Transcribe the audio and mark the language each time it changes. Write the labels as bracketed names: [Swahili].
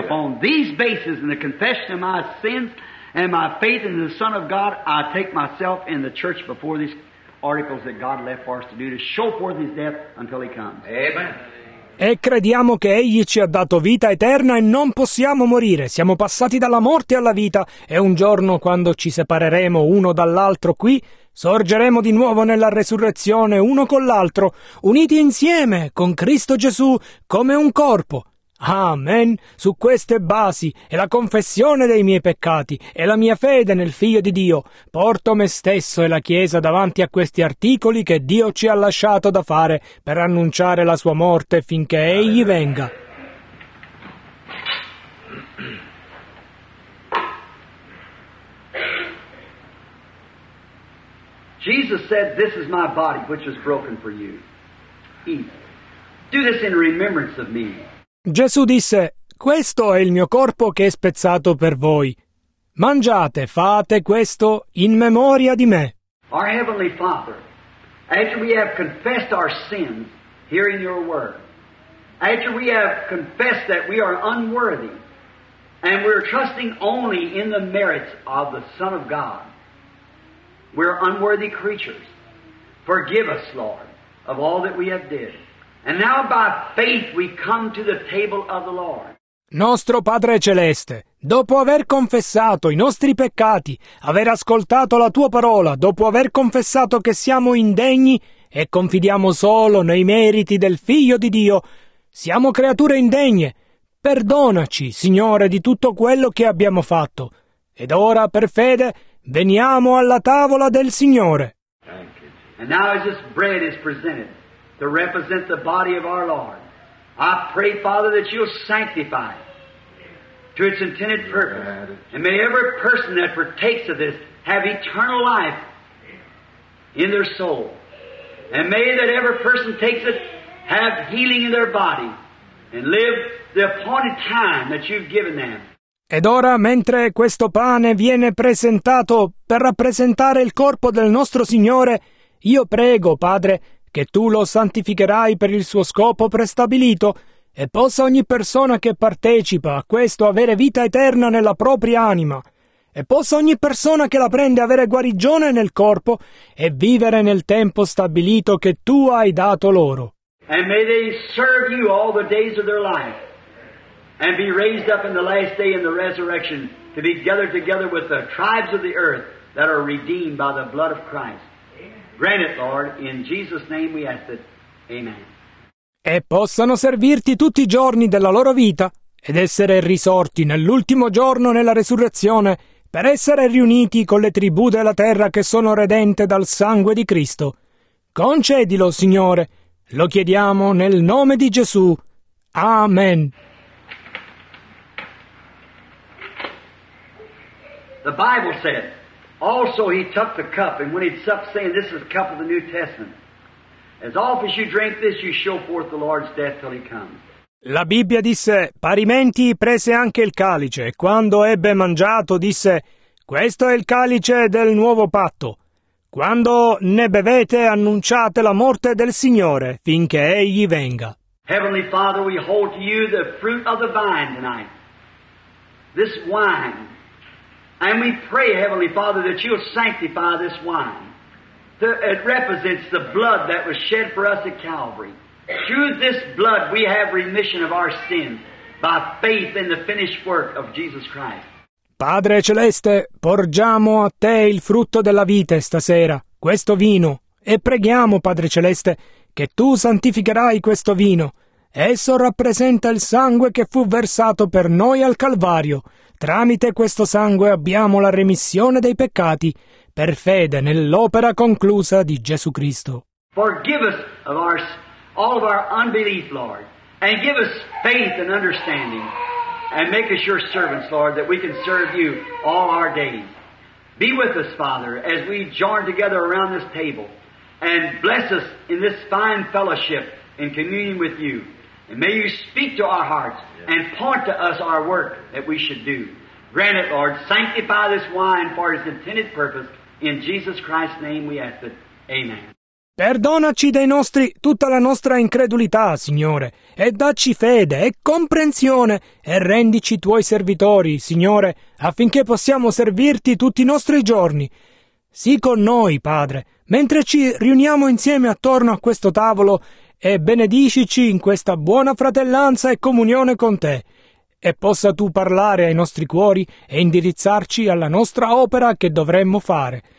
[English] Upon these bases, in the confession of my sins and my faith in the Son of God, I take myself in the church before this. Articles that God left for us to do to show forth His death until He comes. Amen. [Italian] E crediamo che Egli ci ha dato vita eterna e non possiamo morire. Siamo passati dalla morte alla vita e un giorno, quando ci separeremo uno dall'altro qui, sorgeremo di nuovo nella resurrezione uno con l'altro, uniti insieme con Cristo Gesù come un corpo. Amen. Su queste basi e la confessione dei miei peccati e la mia fede nel Figlio di Dio, porto me stesso e la Chiesa davanti a questi articoli che Dio ci ha lasciato da fare per annunciare la sua morte finché Egli venga. [English] Jesus said, "This is my body which is broken for you. Eat. Do this in remembrance of me." [Italian] Gesù disse, questo è il mio corpo che è spezzato per voi. Mangiate, fate questo in memoria di me. [English] Our Heavenly Father, after we have confessed our sins, hearing your word, after we have confessed that we are unworthy, and we're trusting only in the merits of the Son of God, we're unworthy creatures. Forgive us, Lord, of all that we have did. And now by faith we come to the table of the Lord. [Italian] Nostro Padre Celeste, dopo aver confessato i nostri peccati, aver ascoltato la Tua parola, dopo aver confessato che siamo indegni e confidiamo solo nei meriti del Figlio di Dio, siamo creature indegne. Perdonaci, Signore, di tutto quello che abbiamo fatto. Ed ora, per fede, veniamo alla tavola del Signore. [English] And now as this bread is presented, to represent the body of our Lord, I pray, Father, that You'll sanctify it to its intended purpose. And may every person that partakes of this have eternal life in their soul. And may that every person takes it have healing in their body and live the appointed time that You've given them. [Italian] Ed ora, mentre questo pane viene presentato per rappresentare il corpo del nostro Signore, io prego, Padre, che Tu lo santificherai per il suo scopo prestabilito e possa ogni persona che partecipa a questo avere vita eterna nella propria anima e possa ogni persona che la prende avere guarigione nel corpo e vivere nel tempo stabilito che Tu hai dato loro. [English] And may they serve You all the days of their life and be raised up in the last day in the resurrection to be gathered together with the tribes of the earth that are redeemed by the blood of Christ. Grant it, Lord, in Jesus' name we ask it. Amen. [Italian] E possano servirti tutti i giorni della loro vita ed essere risorti nell'ultimo giorno nella resurrezione per essere riuniti con le tribù della terra che sono redente dal sangue di Cristo. Concedilo, Signore. Lo chiediamo nel nome di Gesù. Amen. [English] The Bible said, also he took the cup, and when he'd supped, saying, this is the cup of the New Testament. As often as you drink this, you show forth the Lord's death till he comes. [Italian] La Bibbia disse, parimenti prese anche il calice, e quando ebbe mangiato disse, questo è il calice del nuovo patto. Quando ne bevete, annunciate la morte del Signore, finché Egli venga. [English] Heavenly Father, we hold to you the fruit of the vine tonight, this wine. And we pray, Heavenly Father, that you'll sanctify this wine. It represents the blood that was shed for us at Calvary. Through this blood we have remission of our sins by faith in the finished work of Jesus Christ. [Italian] Padre Celeste, porgiamo a te il frutto della vita stasera, questo vino, e preghiamo, Padre Celeste, che tu santificherai questo vino. Esso rappresenta il sangue che fu versato per noi al Calvario. Tramite questo sangue abbiamo la remissione dei peccati per fede nell'opera conclusa di Gesù Cristo. [English] Forgive us of our all of our unbelief, Lord, and give us faith and understanding, and make us your servants, Lord, that we can serve you all our days. Be with us, Father, as we join together around this table, and bless us in this fine fellowship in communion with you. And may you speak to our hearts and point to us our work that we should do. Grant it, Lord, sanctify this wine for its intended purpose. In Jesus Christ's name we ask it. Amen. [Italian] Perdonaci dei nostri tutta la nostra incredulità, Signore, e dacci fede e comprensione, e rendici tuoi servitori, Signore, affinché possiamo servirti tutti i nostri giorni. Sii con noi, Padre, mentre ci riuniamo insieme attorno a questo tavolo, e benedicici in questa buona fratellanza e comunione con te, e possa tu parlare ai nostri cuori e indirizzarci alla nostra opera che dovremmo fare.